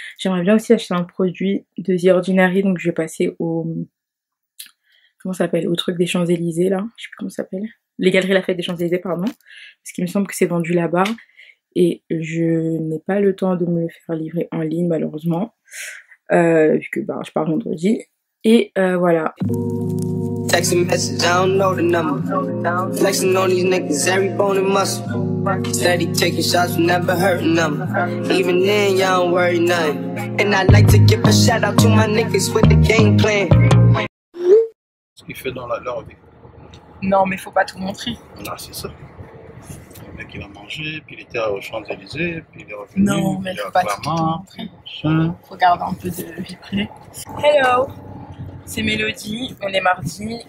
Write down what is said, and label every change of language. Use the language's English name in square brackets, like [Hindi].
[French] J'aimerais bien aussi acheter un produit de The Ordinary, donc je vais passer au. Comment ça s'appelle? Au truc des Champs-Élysées là. Je sais plus comment ça s'appelle. Les galeries La Fête des Champs-Élysées, pardon. Parce qu'il me semble que c'est vendu là-bas. Et je n'ai pas le temps de me le faire livrer en ligne, malheureusement. Vu que bah, je pars vendredi. Et voilà. [English] Text a message, I don't know the number. Flexing on these niggas, every bone and muscle. Steady taking shots, never hurting them. Even then, y'all don't worry nothing. And I'd like to give a shout out to my niggas with the game plan. [French] Ce qu'il fait dans la lobby. Non, mais faut pas tout montrer. Ah, c'est ça. Le mec, il a mangé, puis il était aux Champs-Élysées, puis il est revenu. Non, mais il faut pas tout montrer. Regarde un peu de vie privée. Hello, c'est Mélodie, on est mardi.